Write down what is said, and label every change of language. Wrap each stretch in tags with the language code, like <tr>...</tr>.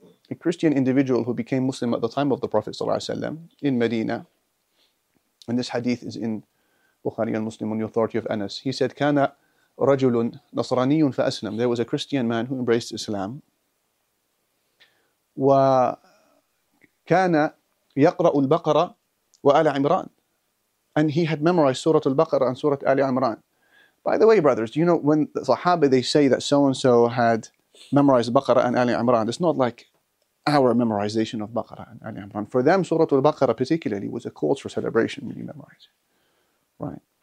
<en>a Christian individual who became Muslim at the time of the Prophet ﷺ in Medina, and this hadith is in Bukhari and Muslim on the authority of Anas, he said,</en> <ar>كان رجل نصراني فأسلم.</ar> <en>There was a Christian man who embraced Islam.</en> <ar>وكان يقرأ البقرة وآل عمران.</ar> <en>And he had memorized Surah Al-Baqarah and Surah Ali Imran. By the way, brothers, do you know when the Sahaba, they say that so-and-so had memorized Baqarah and Ali Imran, it's not like our memorization of Baqarah and Ali Imran. For them, Surah Al-Baqarah particularly was a cause for celebration when you memorize. Right?</en>